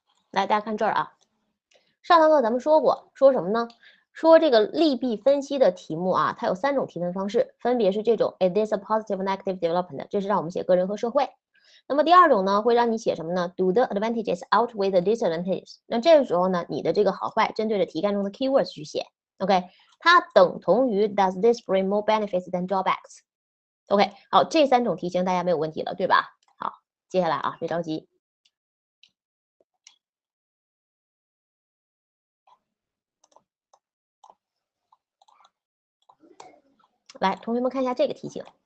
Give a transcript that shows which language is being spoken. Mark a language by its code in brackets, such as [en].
[zh] 来，大家看这儿啊，上堂课咱们说过，说什么呢？说这个利弊分析的题目啊，它有三种提问方式，分别是这种 [en] Is this a positive negative development？ [zh] 这是让我们写个人和社会。那么第二种呢，会让你写什么呢？ [en] Do the advantages outweigh the disadvantages？ [zh] 那这个时候呢，你的这个好坏针对着题干中的 keywords 去写。 [en] OK， [zh] 它等同于 [en] Does this bring more benefits than drawbacks？ [zh] OK， 好，这三种题型大家没有问题了，对吧？好，接下来啊，别着急。来，同学们看一下这个题型。